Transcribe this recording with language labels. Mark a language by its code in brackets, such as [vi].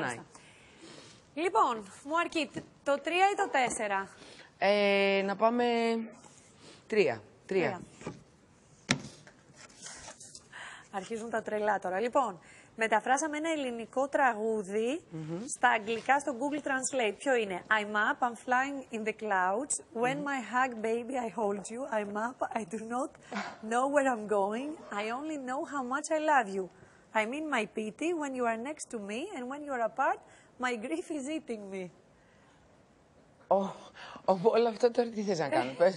[el] Μάλιστα. Λοιπόν, μου αρκεί το 3 ή το 4. Να πάμε 3. 3. Αρχίζουν τα τρελά τώρα. Λοιπόν. Μεταφράσαμε ένα ελληνικό τραγούδι στα αγγλικά στο Google Translate. Ποιο είναι? [en] I'm up, I'm flying in the clouds. When my hug, baby, I hold you. I'm up, I do not know where I'm going. I only know how much I love you. I mean my pity when you are next to me. And when you are apart, my grief is eating me. [el] Oh, όλα αυτά τώρα τι θες να κάνω, πες.